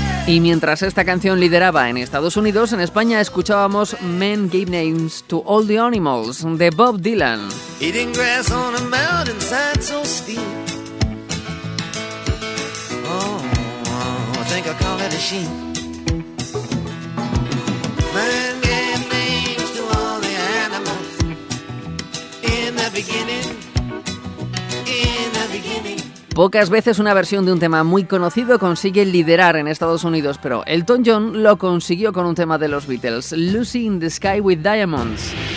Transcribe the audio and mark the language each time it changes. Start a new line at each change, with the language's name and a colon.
Spanish: Y mientras esta canción lideraba en Estados Unidos, en España escuchábamos Men Give Names to All the Animals, de Bob Dylan.
English: Eating grass on a mountainside so steep. Oh, I think I call it a sheep. Men gave names to all the animals. In the beginning.
Spanish: Pocas veces una versión de un tema muy conocido consigue liderar en Estados Unidos, pero Elton John lo consiguió con un tema de los Beatles, Lucy in the Sky with Diamonds.